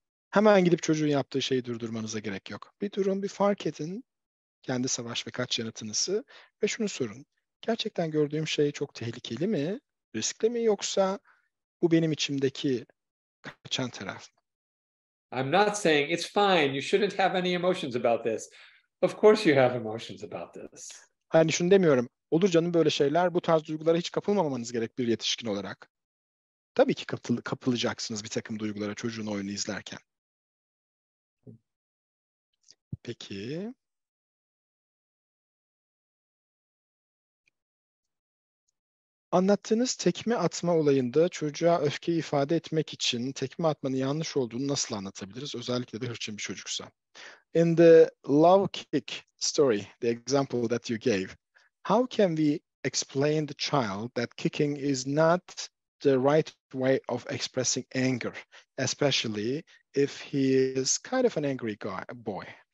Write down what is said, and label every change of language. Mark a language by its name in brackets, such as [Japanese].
[Turkish] Hemen gidip çocuğun yaptığı şeyi durdurmanıza gerek yok. Bir durun, bir fark edin kendi savaş ve kaç yanıtınızı ve şunu sorun. Gerçekten gördüğüm şey çok tehlikeli mi, riskli mi, yoksa bu benim içimdeki kaçan taraf mı? [English] I'm not saying it's fine. You shouldn't have any emotions about this. Of course you have emotions about this. [Turkish] Hani şunu demiyorum. Olur canım böyle şeyler. Bu tarz duygulara hiç kapılmamanız gerek bir yetişkin olarak. Tabii ki kapılacaksınız bir takım duygulara çocuğun oyunu izlerken. Peki. Anlattığınız tekme atma olayında çocuğa öfkeyi ifade etmek için tekme atmanın yanlış olduğunu nasıl anlatabiliriz? Özellikle de hırçın bir çocuksa. [English] In the love kick story, the example that you gave, how can we explain the child that kicking is not the right way of expressing anger, especially if he is kind of an angry guy, boy?